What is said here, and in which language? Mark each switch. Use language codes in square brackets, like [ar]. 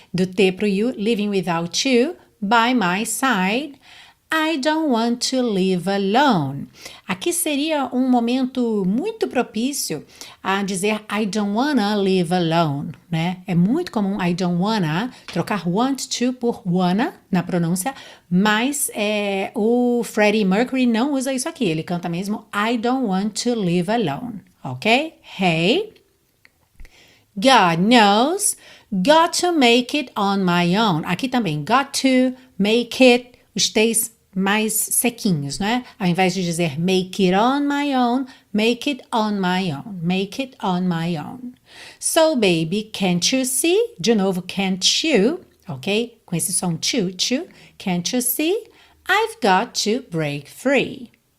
[en] Do T pro you, living without you. By my side, I don't want to live alone. [pt] Aqui seria um momento muito propício a dizer [en] I don't wanna live alone, [pt] né? É muito comum [en] I don't wanna [pt] trocar want to por wanna na pronúncia, mas o Freddie Mercury não usa isso aqui. Ele canta mesmo [en] I don't want to live alone, [pt] ok? [en] Hey, God knows, got to make it on my own. [pt] Aqui também, [en] got to make it, [pt] os T's mais sequinhos, né? Ao invés de dizer [en] make it on my own, [pt] make it on my own, make it on my own. [en] So, baby, can't you see? [pt] De novo, [en] can't you, ok? [pt] Com esse som, [en] chu-chu. Can't you see? I've got to break free.